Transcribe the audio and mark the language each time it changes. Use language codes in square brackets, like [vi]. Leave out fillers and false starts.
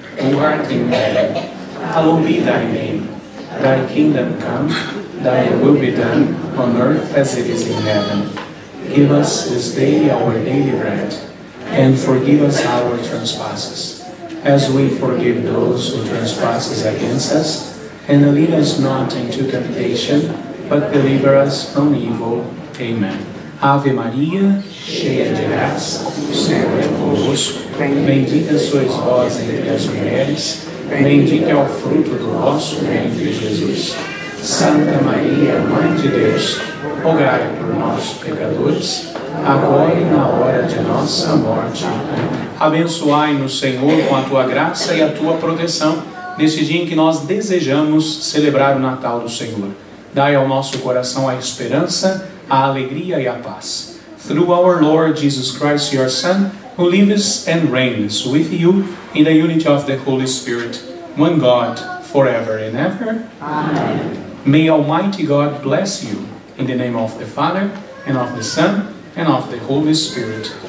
[en] who art in heaven, hallowed be thy name. Thy kingdom come, thy will be done, on earth as it is in heaven. Give us this day our daily bread, and forgive us our trespasses, as we forgive those who trespass against us. And lead us not into temptation, but deliver us from evil. Amen. [pt] Ave Maria, cheia de graça, o Senhor é convosco. Bendita sois vós entre as mulheres, bendito é o fruto do vosso ventre, Jesus. Santa Maria, Mãe de Deus, rogai por nós, pecadores, agora e na hora de nossa morte. Abençoai-nos, Senhor, com a tua graça e a tua proteção, neste dia em que nós desejamos celebrar o Natal do Senhor. Dai ao nosso coração a esperança, a alegria e a paz. [en] Through our Lord Jesus Christ, your Son, who lives and reigns with you in the unity of the Holy Spirit, one God, forever and ever. Amen. May Almighty God bless you, in the name of the Father, and of the Son, and of the Holy Spirit.